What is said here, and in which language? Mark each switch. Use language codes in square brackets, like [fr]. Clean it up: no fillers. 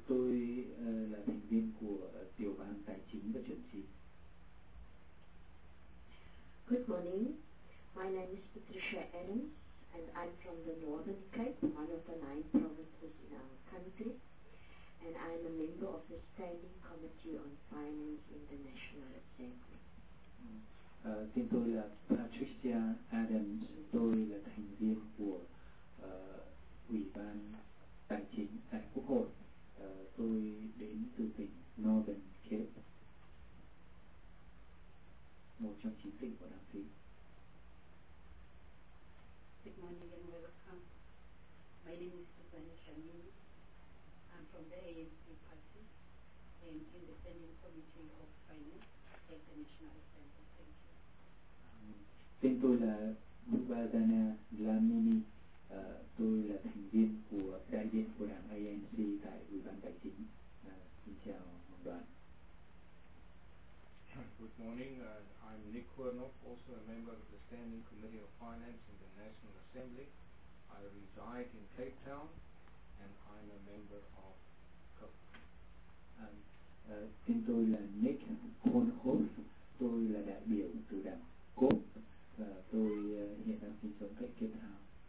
[vi] Tôi là thành viên của tiểu ban tài chính và chính trị. [en] Good morning. My name is Patricia Adams, and I'm from the Northern Cape, one of the 9 provinces in our country. And I'm a member of the Standing Committee on Finance in the National Assembly. [vi] Tên tôi là Patricia Adams. Tôi là thành viên của ủy ban tài chính tại Quốc hội. Tôi đến từ tỉnh Northern Cape, một trong 9 tỉnh của Nam Phi. [en] Good morning and welcome. My name is Susanne Chamin. I'm from the ANC party and in the Standing Committee of Finance at the National Assembly. Thank you. [vi] Tên tôi là Bubadana Dlamini. Tôi là thành viên của đại diện của đảng ANC tại Ủy ban Tài chính. Xin chào một đoàn. [en] Good morning. I'm Nick Wernoff, also a member of the Standing Committee of Finance in the National Assembly. I reside in Cape Town, and I'm a member of COP. [vi] Tên tôi là Nick Wernoff. Tôi là đại biểu từ đảng COP. Tôi hiện đang sinh sống tại Cape Town.